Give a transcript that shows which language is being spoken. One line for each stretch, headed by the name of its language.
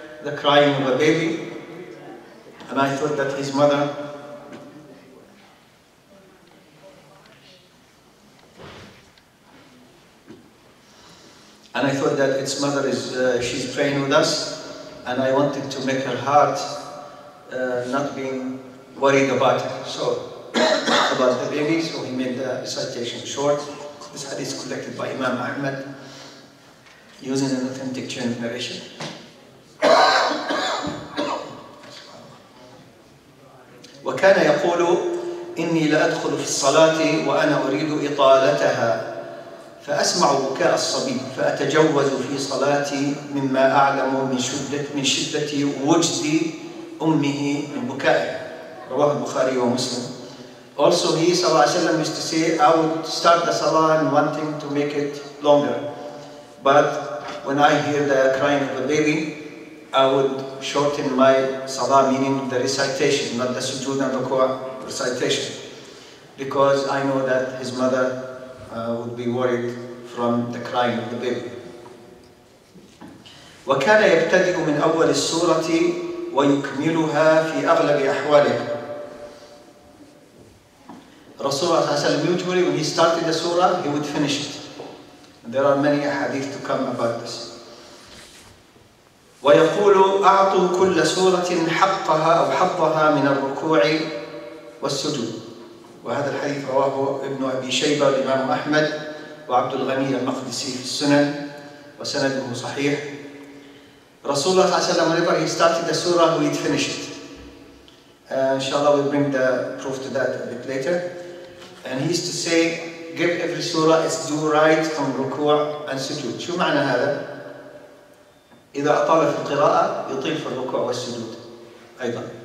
English: the crying of a baby, and I thought that his mother and I thought that its mother is she's praying with us, and I wanted to make her heart not being worried about it. So about the baby, so he made the recitation short. This hadith is collected by Imam Ahmad using an authentic chain of narration.
Arabic: وكان يقول إني لا أدخل في الصلاة وأنا أريد إطالتها فأسمع بكاء الصبي فأتجوز في صلاتي مما أعلم من شدة وجد أمه من بكائها. رواه البخاري ومسلم.
English: Also he صلى الله عليه وسلم used to say, I would start the salah and wanting to make it longer, but when I hear the crying of a baby, I would shorten my salah, meaning the recitation, not the sujood and rukua recitation, because I know that his mother would be worried from the crying of the baby.
Arabic: وكان يبتدئ من أول السورة ويكملها في أغلب أحواله.
English: Rasulullah sallallahu alayhi wa sallam, usually when he started the surah, he would finish it. And there are many hadith to come about this.
Arabic: ويقول أعطوا كل سورة حقها أو حظها من الركوع والسجود. وهذا الحديث رواه ابن أبي شيبة الإمام أحمد وعبد الغني المقدسي في السنن وسنده صحيح.
English: Rasulullah sallallahu alayhi wa sallam, whenever he started the surah, he would finish it. Inshallah, we'll bring the proof to that a bit later. And he used to say, give every surah its due right from ruku' and sujood.
Arabic: شو معنى هذا؟ إذا أطال في القراءة يطيل في الركوع والسجود أيضا.